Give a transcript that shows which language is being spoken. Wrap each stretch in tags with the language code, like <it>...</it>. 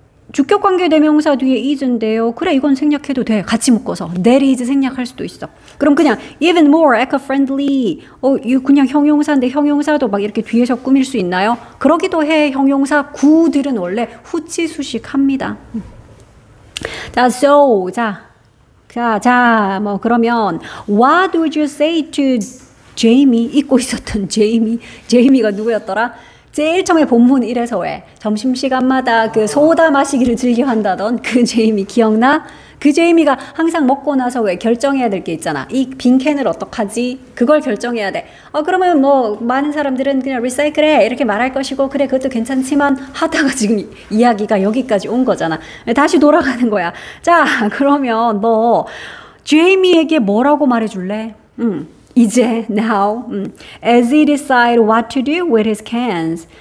<ko>주격관계대명사 뒤에 is인데요. 그래, 이건 생략해도 돼. 같이 묶어서.</ko> <en>that is</en> <ko>생략할 수도 있어. 그럼 그냥</ko> <en>even more eco-friendly.</en> <ko>이거 그냥 형용사인데 형용사도 막 이렇게 뒤에서 꾸밀 수 있나요? 그러기도 해. 형용사 구들은 원래 후치수식합니다. 자, so, 자, 뭐 그러면</ko> <en>what would you say to Jamie?</en> <ko>잊고 있었던 Jamie. Jamie가 누구였더라? 제일 처음에 본문 1에서 왜 점심시간마다 그 소다 마시기를 즐겨한다던 그 제이미 기억나? 그 제이미가 항상 먹고 나서 왜 결정해야 될 게 있잖아. 이 빈 캔을 어떡하지? 그걸 결정해야 돼. 그러면 뭐 많은 사람들은 그냥 리사이클해 이렇게 말할 것이고, 그래 그것도 괜찮지만 하다가 지금 이야기가 여기까지 온 거잖아. 다시 돌아가는 거야. 자, 그러면 너 제이미에게 뭐라고 말해줄래? 이제</ko> <en>now as he decide what to do with his cans.</en>